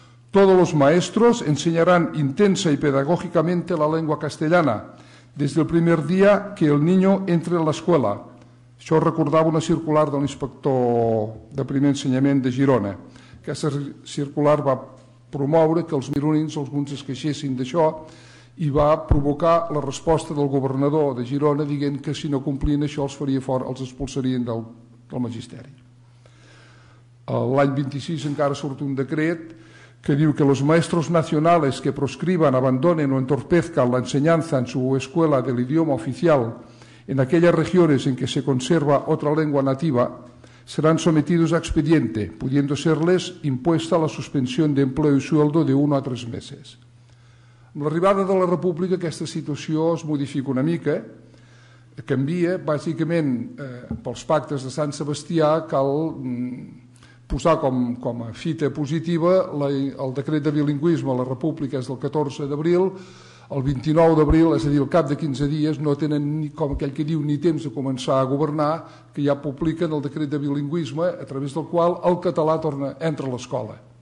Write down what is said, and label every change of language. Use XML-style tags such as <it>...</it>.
<es>Todos los maestros enseñarán intensa y pedagógicamente la lengua castellana desde el primer día que el niño entre a la escuela.</es> <ca>Això recordava una circular de l'inspector de primer ensenyament de Girona. Aquesta circular va promoure que els gironins alguns es queixessin d'això i va provocar la resposta del governador de Girona dient que si no complien això els faria fora, els expulsarien del magisteri. L'any 26 encara surt un decret que diu que</ca> <es>los maestros nacionales que proscriban, abandonen o entorpezcan la enseñanza en su escuela del idioma oficial en aquellas regiones en que se conserva otra lengua nativa serán sometidos a expediente, pudiendo serles impuesta la suspensión de empleo y sueldo de 1 a 3 meses.</es> <ca>Amb l'arribada de la República aquesta situació es modifica una mica, canvia, bàsicament pels pactes de Sant Sebastià cal posar com a fita positiva el decret de bilingüisme a la República és del 14 d'abril, el 29 d'abril, és a dir, al cap de 15 dies, no tenen, com aquell que diu, ni temps de començar a governar, que ja publiquen el decret de bilingüisme a través del qual el català entra a l'escola.</ca>